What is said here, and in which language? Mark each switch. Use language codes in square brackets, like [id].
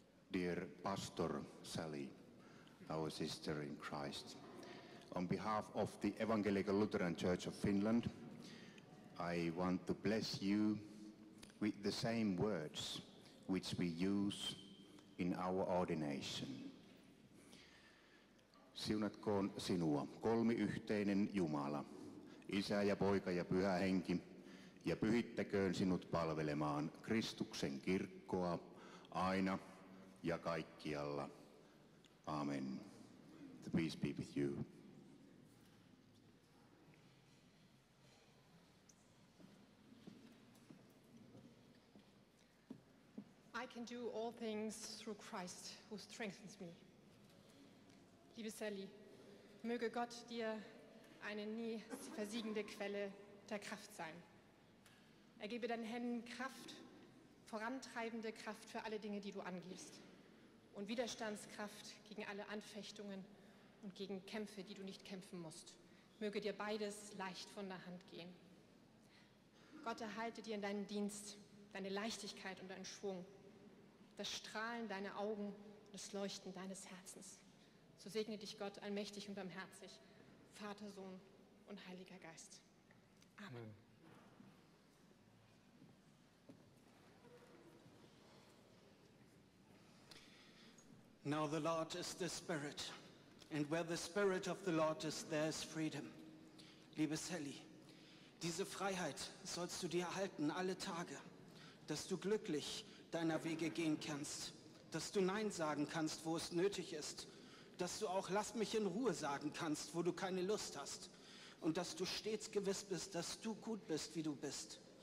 [en] Dear Pastor Sally, our sister in Christ, on behalf of the Evangelical Lutheran Church of Finland, I want to bless you with the same words which we use in our ordination. [fi] Siunatkoon sinua, kolmiyhteinen Jumala, Isä ja Poika ja Pyhä Henki, ja pyhittäköön sinut palvelemaan Kristuksen kirkkoa aina ja kaikkialla. [en] Amen. The peace be with you. I can do all things through Christ who strengthens me. [de] Liebe Sally, möge Gott dir eine nie versiegende Quelle der Kraft sein. Er gebe deinen Händen Kraft, vorantreibende Kraft für alle Dinge, die du angehst, und Widerstandskraft gegen alle Anfechtungen und gegen Kämpfe, die du nicht kämpfen musst. Möge dir beides leicht von der Hand gehen. Gott erhalte dir in deinem Dienst deine Leichtigkeit und deinen Schwung, das Strahlen deiner Augen und das Leuchten deines Herzens. So segne dich Gott allmächtig und barmherzig, Vater, Sohn und Heiliger Geist. Amen. Amen. [en] Now the Lord is the Spirit, and where the Spirit of the Lord is, there is freedom. [de] Liebe Sally, diese Freiheit sollst du dir erhalten alle Tage, dass du glücklich deiner Wege gehen kannst, dass du Nein sagen kannst, wo es nötig ist, dass du auch lass mich in Ruhe sagen kannst, wo du keine Lust hast, und dass du stets gewiss bist, dass du gut bist, wie du bist.